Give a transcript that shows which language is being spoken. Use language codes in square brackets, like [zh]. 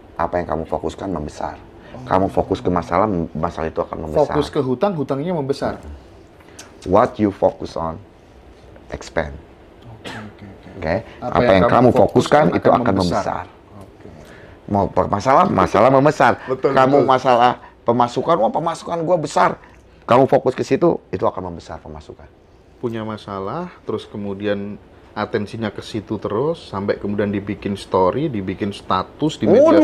[id] Apa yang kamu fokuskan, membesar. Oh. Kamu fokus ke masalah, masalah itu akan membesar. Fokus ke hutang, hutangnya membesar. [en] What you focus on, expand. Oke, oke, oke. [id] Apa yang kamu fokuskan, akan itu akan membesar. Membesar. Oke. Mau masalah, masalah membesar. Betul, kamu betul. Masalah pemasukan, wah pemasukan gua besar. Kamu fokus ke situ, itu akan membesar pemasukan. Punya masalah, terus kemudian atensinya ke situ terus, sampai kemudian dibikin story, dibikin status di media sosial.